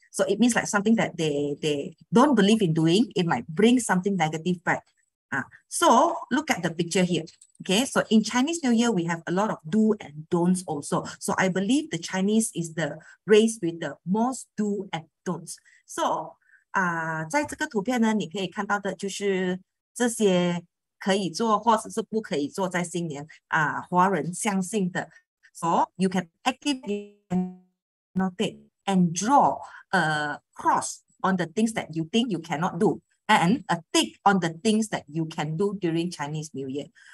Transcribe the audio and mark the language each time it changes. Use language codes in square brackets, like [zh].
[en] So it means like something that they don't believe in doing, it might bring something negative back. So look at the picture here, okay? So in Chinese New Year, we have a lot of do and don'ts also. So I believe the Chinese is the race with the most do and don'ts. [zh] So 在这个图片呢，你可以看到的就是这些 可以做或者是不可以做在新年，华人相信的。 [en] So you can actively notate and draw a cross on the things that you think you cannot do, and a tick on the things that you can do during Chinese New Year.